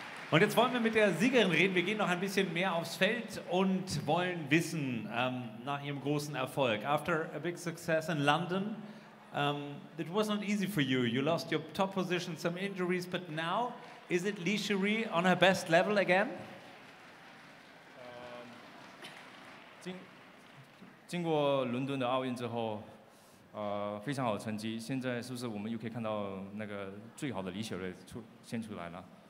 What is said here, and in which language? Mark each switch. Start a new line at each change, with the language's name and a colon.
German: Und jetzt wollen wir mit der Siegerin reden. Wir gehen noch ein bisschen mehr aufs Feld und wollen wissen nach ihrem großen Erfolg.
English: After a big success in London, it was not easy for you. You lost your top position, some injuries, but now is it Li Shuwei on her best level again?
Chinese: 经过伦敦的奥运之后，非常好的成绩。现在是不是我们又可以看到那个最好的李雪芮出现出来了？